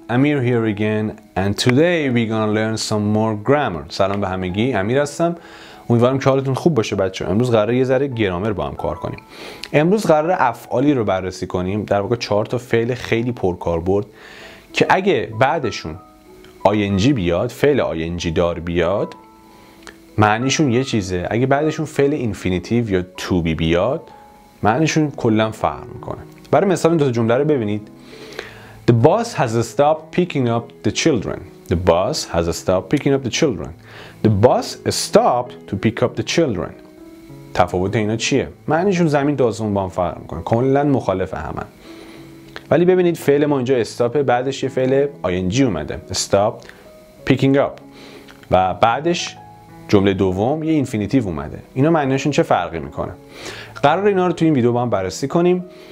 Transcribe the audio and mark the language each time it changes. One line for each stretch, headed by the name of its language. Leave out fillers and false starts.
English: Amir here again and today we're gonna learn some more grammar.
Persian: سلام به همگی، امیر هستم. امیدوارم که حالتون خوب باشه بچه‌ها. امروز قراره یه ذره گرامر با هم کار کنیم. امروز قراره افعالی رو بررسی کنیم، در واقع 4 تا فعل خیلی پرکاربرد که اگه بعدشون ing بیاد، فعل ing دار بیاد، معنیشون یه چیزه. اگه بعدشون فعل infinitive یا to be بیاد، معنیشون کلا فرق میکنه. برای مثال این دو تا جمله رو ببینید.
English: The bus has stopped picking up the children. The bus has stopped picking up the children. The bus stopped to pick up the children.
Persian: تفاوت اینا چیه؟ معنیشون زمین دازمون با هم فرق میکنه. کلا مخالف هم. ولی ببینید فعل ما اینجا استاپ، بعدش یه فعل ing اومده.
English: Stopped picking up.
Persian: و بعدش جمله دوم یه infinitive اومده. اینا معنیشون چه فرقی میکنه؟ قرار اینا رو تو این ویدیو با هم بررسی کنیم.